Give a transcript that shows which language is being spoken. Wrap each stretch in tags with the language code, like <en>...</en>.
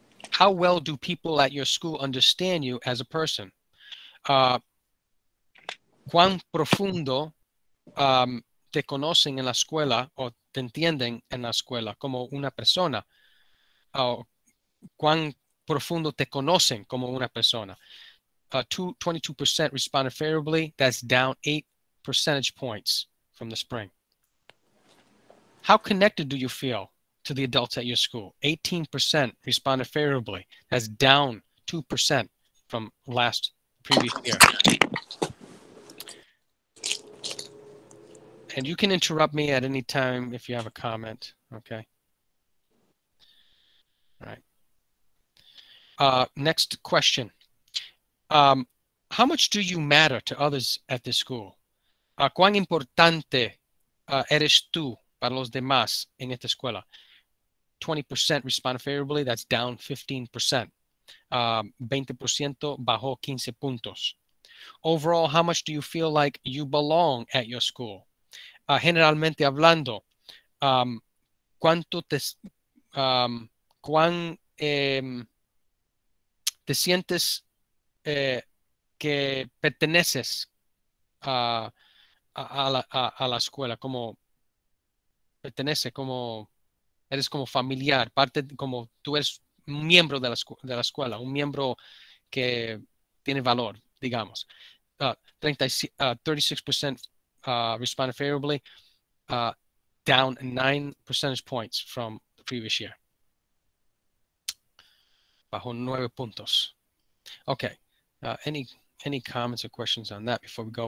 <en>How well do people at your school understand you as a person?</en> <es>¿Cuán profundo te conocen en la escuela o te entienden en la escuela como una persona? ¿Cuán profundo te conocen como una persona?</es> <en>22% responded favorably. That's down 8 percentage points from the spring. How connected do you feel to the adults at your school? 18% responded favorably. That's down 2% from last previous year. And you can interrupt me at any time if you have a comment, okay? All right. Next question. How much do you matter to others at this school?</en> <es>¿Cuán importante eres tú para los demás en esta escuela?</es> <en>20% responded favorably. That's down 15%.</en> <es>20% bajó 15 puntos.</es> <en>Overall, how much do you feel like you belong at your school?</en> <es>Generalmente hablando, ¿cuánto te, cuán te sientes que perteneces a la escuela, como pertenece, como eres como familiar, parte como tú eres un miembro de la escuela, un miembro que tiene valor, digamos.</es> <en>36% responded favorably, down 9 percentage points from the previous year.</en> <es>Bajo 9 puntos.</es> <en>Okay. Any comments or questions on that before we go?</en>